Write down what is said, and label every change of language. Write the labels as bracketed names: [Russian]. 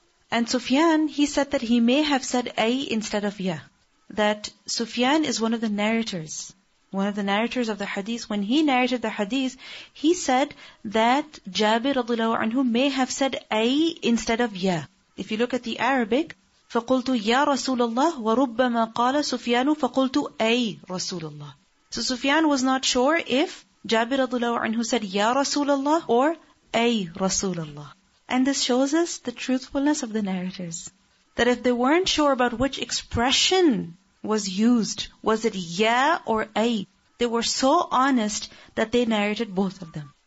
[English] And Sufyan, he said that he may have said ay instead of ya. That Sufyan is one of the narrators. One of the narrators of the hadith. When he narrated the hadith, he said that Jabir radhiyallahu anhu may have said ay instead of ya. If you look at the Arabic, [Arabic] فَقُلْتُ يَا رَسُولَ اللَّهِ وَرُبَّمَا قَالَ سُفْيَانُ فَقُلْتُ أَيْ رَسُولَ اللَّهِ. [English] So Sufyan was not sure if Jabir radhiyallahu anhu said [Arabic] يَا رَسُولَ اللَّهِ [English] or [Arabic] أَيْ رَسُولَ اللَّهِ. [English] And this shows us the truthfulness of the narrators. That if they weren't sure about which expression was used, was it يَا or أَيْ, they were so honest that they narrated both of them.